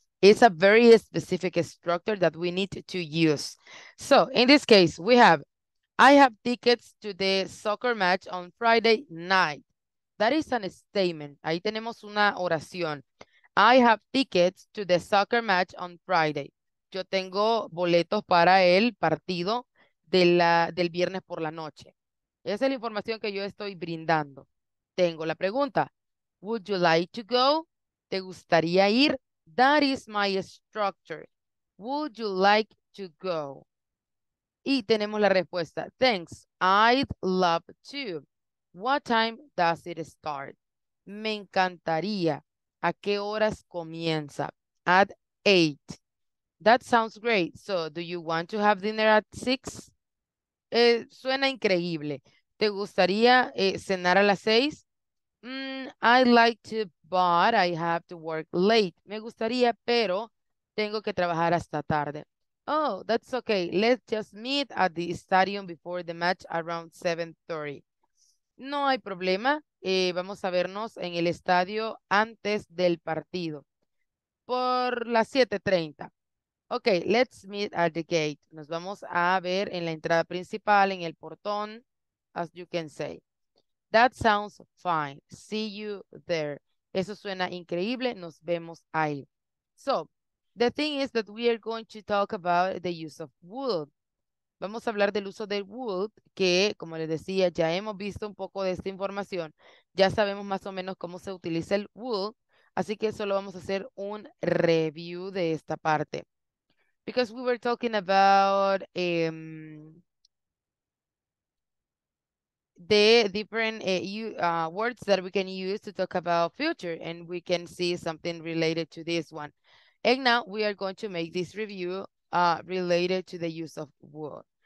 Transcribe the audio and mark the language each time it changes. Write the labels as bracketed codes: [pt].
[en] It's a very specific structure that we need to use. So in this case, we have, I have tickets to the soccer match on Friday night. That is a statement. [es] Ahí tenemos una oración. [en] I have tickets to the soccer match on Friday. [es] Yo tengo boletos para el partido del viernes por la noche. Esa es la información que yo estoy brindando. Tengo la pregunta. [en] Would you like to go? [es] ¿Te gustaría ir? [en] That is my structure. Would you like to go? [es] Y tenemos la respuesta. [en] Thanks. I'd love to. What time does it start? [es] Me encantaría. ¿A qué horas comienza? [en] At 8. That sounds great. So, do you want to have dinner at 6? [es] Suena increíble. ¿Te gustaría cenar a las 6? [en] I'd like to, but I have to work late. [es] Me gustaría, pero tengo que trabajar hasta tarde. [en] Oh, that's okay. Let's just meet at the stadium before the match around 7:30. [es] No hay problema. Vamos a vernos en el estadio antes del partido. Por las 7:30. [en] Ok, let's meet at the gate. [es] Nos vamos a ver en la entrada principal, en el portón, [en] as you can say. That sounds fine. See you there. [es] Eso suena increíble. Nos vemos ahí. [en] So, the thing is that we are going to talk about the use of would. [es] Vamos a hablar del uso del would, que, como les decía, ya hemos visto un poco de esta información. Ya sabemos más o menos cómo se utiliza el would. Así que solo vamos a hacer un review de esta parte. [en] Because we were talking about the different words that we can use to talk about future, and we can see something related to this one. And now we are going to make this review related to the use of would.